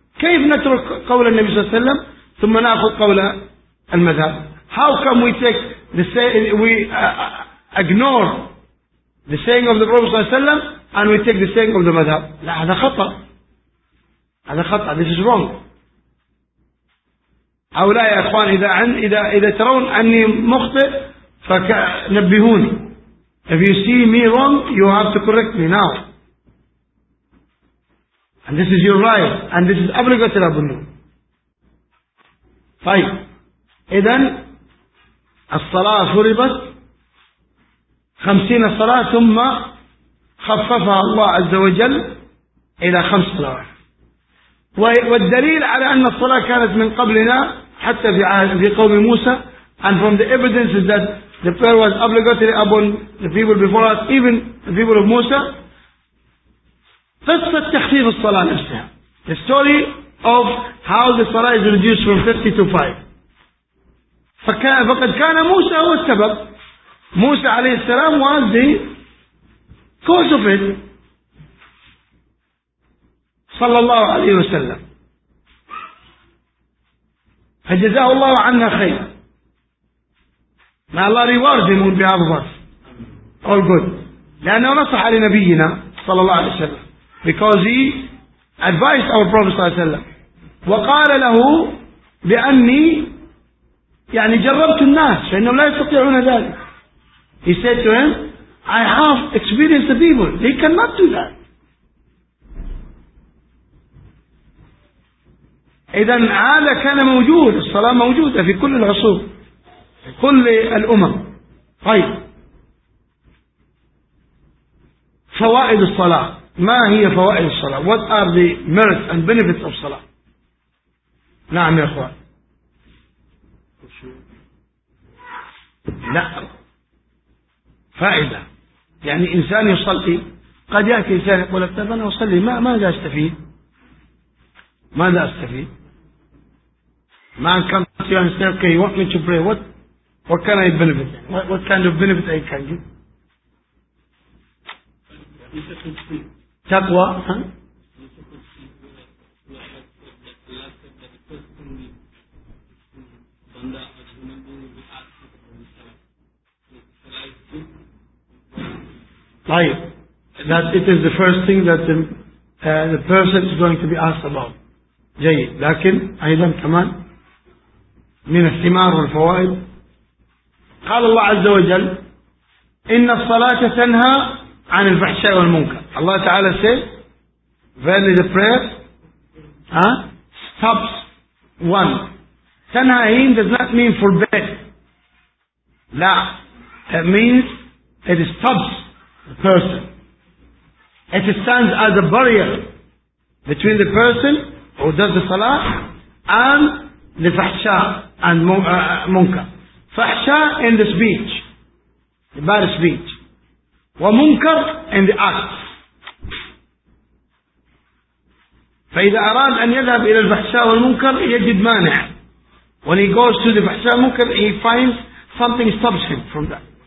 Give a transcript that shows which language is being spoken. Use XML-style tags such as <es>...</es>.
<ar>كيف نترك قول النبي صلى الله عليه وسلم ثم نأخذ قول المذهب؟</ar> <en>How come we take the say, we ignore the saying of the Prophet</en> <ar>صلى الله عليه وسلم</ar> <en>and we take the saying of the madhab؟</en> <ar>لا هذا خطأ، هذا خطأ،</ar> <en>this is wrong.</en> <ar>هؤلاء يا أخوان إذا ترون أني مخطئ فنبهوني.</ar> <en>If you see me wrong, you have to correct me now. And this is your right, and this is obligatory labunu. Fine.</en> <ar>إذن الصلاة فرضت 50 صلاة ثم خففها الله عز وجل إلى 5 صلوات. والدليل على أن الصلاة كانت من قبلنا حتى في قوم موسى.</ar> <en>And from the evidence is that the prayer was obligatory upon the people before us, even the people of Musa.</en> <ar>قصة تخفيف الصلاة نفسها.</ar> <en>The story of how the salah is reduced from 50 to 5.</en> <ar>فقد كان موسى هو السبب.</ar> <en>موسى عليه السلام was the cause of it.</en> <ar>صلى الله عليه وسلم. فجزاه الله عنا خير.</ar> <en>May Allah reward him on behalf of us. All good.</en> <ar>لأنه نصح لنبينا صلى الله عليه وسلم.</ar> <en>Because he advised our Prophet</en> <ar>صلى الله عليه وسلم. وقال له بأني يعني جربت الناس فإنهم لا يستطيعون ذلك.</ar> <en>He said to him, I have experienced the people. They cannot do that.</en> <ar>إذن هذا كان موجود. الصلاة موجودة في كل العصور. كل الأمم. طيب فوائد الصلاة، ما هي فوائد الصلاة؟</ar> <en>What are the merits and benefits of</en> <ar>الصلاة؟ نعم يا أخوان. لا فائدة يعني إنسان يصلي، قد يأتي إنسان يقول طيب أنا أصلي ماذا أستفيد؟ ماذا أستفيد؟</ar> <en>Man comes to you and says, okay, you want me to pray, What can I benefit? What kind of benefit I can give? Taqwa? Right. That it is the first thing that the person is going to be asked about.</en> <ar>جيد. لكن أيضا كمان من الثمار والفوائد. قال الله عز وجل إن الصلاة تنهى عن الفحشاء والمنكر.</ar> <en>الله تعالى says verily the prayer stops one. تنهى him does not mean forbid. لا it means it stops the person. It stands as a barrier between the person who does the صلاة and the فحشاء and منكر. فحشاء in the speech, the bad speech. ومنكر in the act.</en> <ar>فإذا أراد أن يذهب إلى الفحشاء والمنكر يجد مانع.</ar> <en>When he goes to the فحشاء والمنكر he finds something stops him from that.</en>